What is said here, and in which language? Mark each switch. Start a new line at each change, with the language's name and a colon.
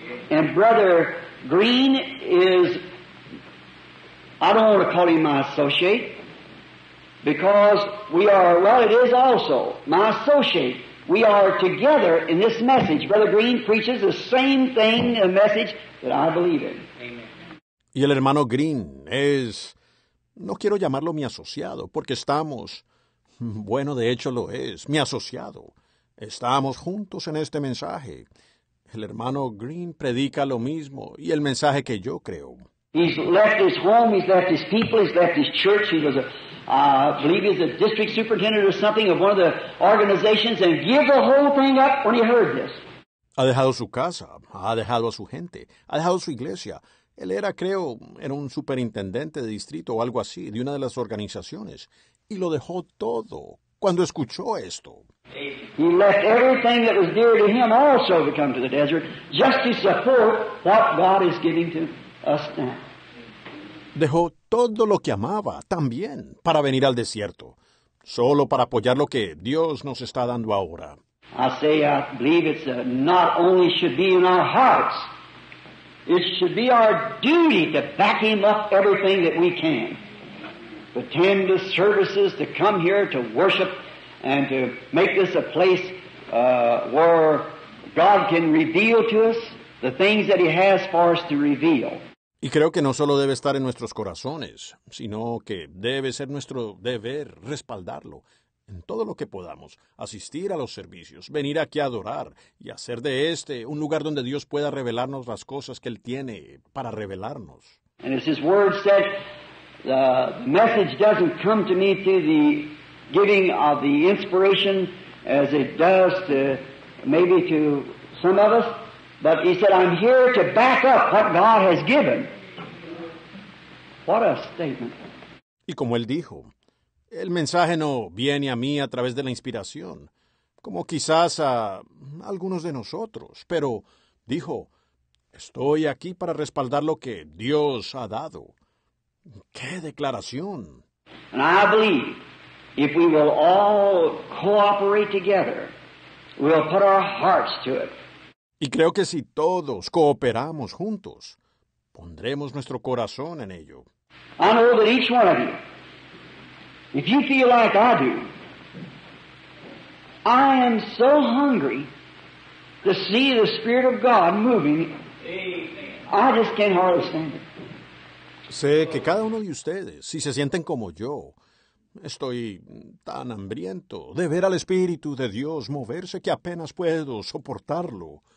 English: And Brother Green is, I don't want to call him my associate. Because we are, well, it is also my associate. We are together in this message. Brother Green preaches the same thing, a message that I believe in.
Spanish: Y el hermano Green es, no quiero llamarlo mi asociado, porque estamos, bueno, de hecho lo es, mi asociado. Estamos juntos en este mensaje. El hermano Green predica lo mismo y el mensaje que yo creo.
English: He's left his home, he's left his people, he's left his church. He was I believe he's a district superintendent or something of one of the organizations, and give the whole thing up when he heard this.
Spanish: Ha dejado su casa, ha dejado a su gente, ha dejado su iglesia. Él era, creo, era un superintendente de distrito o algo así, de una de las organizaciones. Y lo dejó todo cuando escuchó esto.
English: He left everything that was dear to him also to come to the desert just to support what God is giving to us now.
Spanish: Dejó todo lo que amaba también para venir al desierto, solo para apoyar lo que Dios nos está dando ahora.
English: I say, I believe it's not only should be in our hearts. It should be our duty to back him up everything that we can. To attend the services, to come here to worship, and to make this a place where God can reveal to us the things that he has for us to reveal.
Spanish: Y creo que no solo debe estar en nuestros corazones, sino que debe ser nuestro deber respaldarlo en todo lo que podamos, asistir a los servicios, venir aquí a adorar y hacer de este un lugar donde Dios pueda revelarnos las cosas que Él tiene para revelarnos.
English: And as His Word said, the message doesn't come to me through the giving of the inspiration as it does to maybe to some of us, but He said, I'm here to back up what God has given. What a statement.
Spanish: Y como Él dijo, el mensaje no viene a mí a través de la inspiración, como quizás a algunos de nosotros, pero dijo, estoy aquí para respaldar lo que Dios ha dado. ¡Qué declaración!
English: And I believe if we will all cooperate together, we'll put our hearts to it.
Spanish: Y creo que si todos cooperamos juntos, pondremos nuestro corazón en ello.
English: I know that each one of you, if you feel like I do, I am so hungry to see the Spirit of God moving. Amen. I just can't hardly stand it.
Spanish: Sé que cada uno de ustedes, si se sienten como yo, estoy tan hambriento de ver al Espíritu de Dios moverse que apenas puedo soportarlo.